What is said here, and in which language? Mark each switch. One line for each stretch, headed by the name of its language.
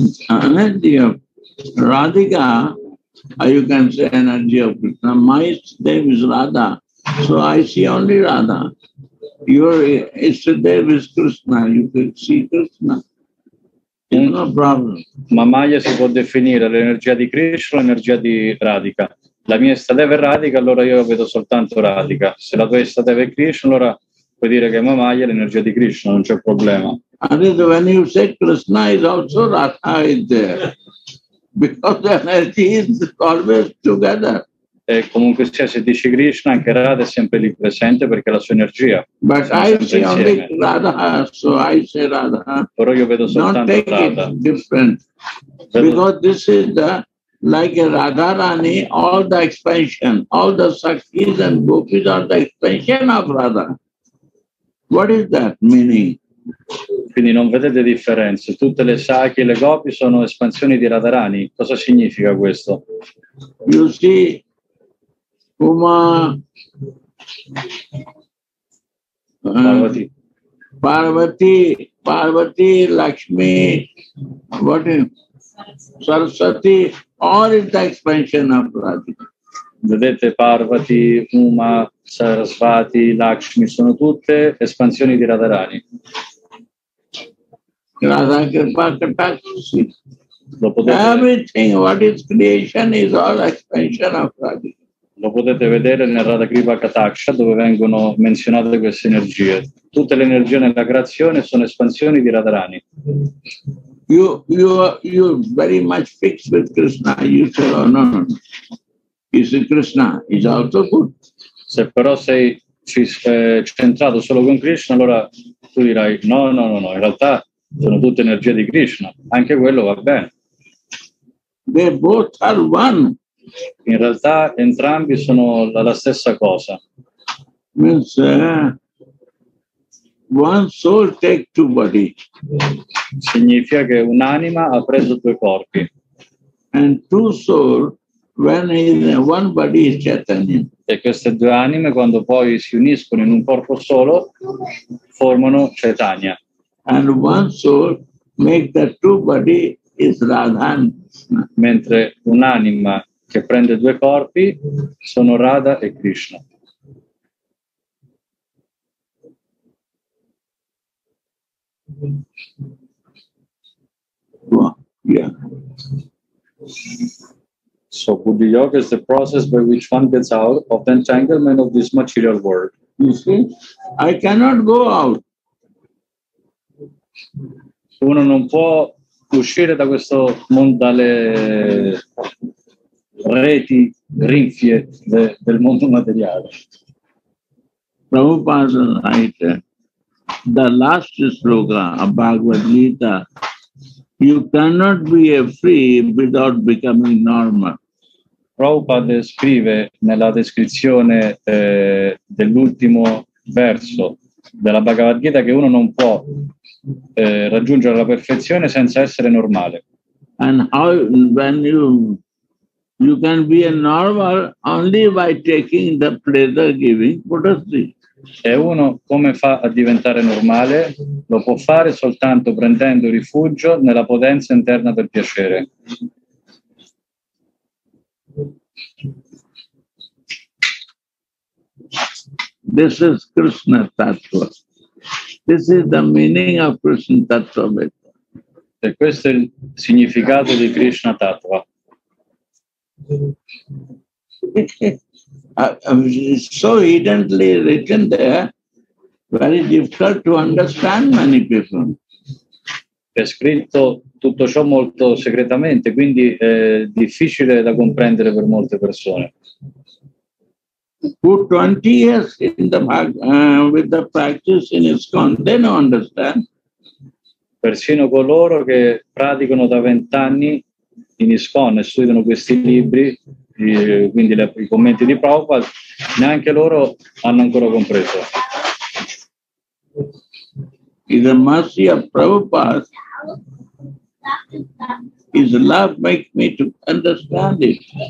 English: Energy of Radhika, you can say energy of Krishna. My name is Radha, so I see only Radha. Your Ishtadev is Krishna, you can see Krishna. No problem.
Italian: Mamaya si può definire l'energia di Krishna o l'energia di Radhika. La mia Ishtadev è Radhika, allora io vedo soltanto Radhika. Se la tua Ishtadev è Krishna, allora puoi dire che Mamaya è l'energia di Krishna, non c'è problema.
English: And when you say Krishna is also Radha is there, because the energy is always together.
Italian: E comunque sia, se dici Krishna, anche Radha è sempre lì presente, perché la sua energia.
English: But I see only Radha, so I say Radha.
Italian: Però io vedo soltanto Radha.
English: Don't take Radha. It different. Because this is the, like Radharani, all the expansion, all the sakis and gopis are the expansion of Radha. What is that meaning?
Italian: Quindi non vedete differenze. Tutte le sakhi e le gopi sono espansioni di Radharani. Cosa significa questo?
English: You see, Uma, Parvati. Parvati, Parvati, Lakshmi, what is Saraswati, all is the expansion of Radhika.
Italian: Vedete, Parvati, Uma, Sarasvati, Lakshmi sono tutte espansioni di Radharani.
English: Radha Kripa Katakshi.
Italian: Lo potete...
English: Everything what is creation is all expansion of Radhika.
Italian: Lo potete vedere nel Radha Kripa Kataksha, dove vengono menzionate queste energie. Tutte le energie nella creazione sono espansioni di Radharani.
English: You very much fixed with Krishna. You say, oh, no. You see Krishna is also good.
Italian: Se però sei centrato solo con Krishna, allora tu dirai no, in realtà sono tutte energie di Krishna. Anche quello va bene.
English: They both are one.
Italian: In realtà entrambi sono la stessa cosa.
English: Means one soul take two body.
Italian: Significa che un'anima ha preso due corpi.
English: And two soul when in one body is Chaitanya.
Italian: E queste due anime quando poi si uniscono in un corpo solo formano Chaitanya.
English: And one soul make the two body is Radha.
Italian: Mentre un'anima che prende due corpi sono Radha e Krishna.
English: Yeah. So Buddhi Yoga is the process by which one gets out of the entanglement of this material world. You see, I cannot go out.
Italian: Uno non può uscire da questo mondo, dalle reti grinfie del mondo materiale.
English: Prabhupada writes the last sloka of Bhagavad Gita, you cannot be a free without becoming normal.
Italian: Prabhupada scrive nella descrizione dell'ultimo verso della Bhagavad Gita che uno non può raggiungere la perfezione senza essere normale.
English: And how, when you can be a normal only by taking the pleasure giving potency.
Italian: E uno come fa a diventare normale? Lo può fare soltanto prendendo rifugio nella potenza interna del piacere.
English: This is Krishna Tattva. This is the meaning of Krishna Tattva.
Italian: E questo è il significato di Krishna Tattva.
English: It's so evidently written there, very difficult to understand many people.
Italian: È scritto tutto ciò molto segretamente, quindi è difficile da comprendere per molte persone.
English: For 20 years in the with the practice in ISKCON, they don't understand.
Italian: Persino coloro che praticano da 20 anni in ISKCON e studiano questi libri, quindi i commenti di Prabhupada, neanche loro hanno ancora compreso.
English: Is the mercy of Prabhupada. His love makes me to understand it.